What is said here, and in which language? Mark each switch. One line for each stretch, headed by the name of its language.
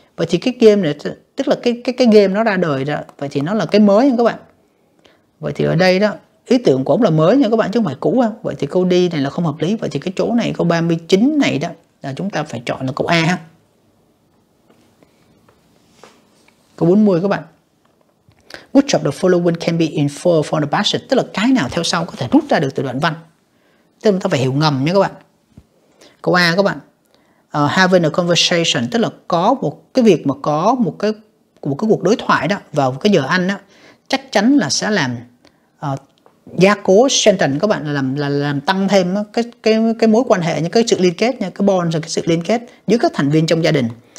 Vietnamese: Vậy thì cái game này, tức là cái game nó ra đời đó, vậy thì nó là cái mới nha các bạn. Vậy thì ở đây đó, ý tưởng của ông là mới nha các bạn, chứ không phải cũ. Vậy thì câu đi này là không hợp lý. Vậy thì cái chỗ này, câu 39 này đó, là chúng ta phải chọn là câu A ha. Câu 40 các bạn.
English: Which of the following can be inferred from the passage?
Vietnamese: Tức là cái nào theo sau có thể rút ra được từ đoạn văn. Tức là chúng ta phải hiểu ngầm nha các bạn. Câu A các bạn.
English: Having a conversation,
Vietnamese: tức là có một cái việc mà có một cái cuộc đối thoại đó vào cái giờ ăn đó, chắc chắn là sẽ làm gia cố sentence các bạn, làm tăng thêm cái mối quan hệ, những cái sự liên kết nha, cái bond, cái sự liên kết giữa các thành viên trong gia đình.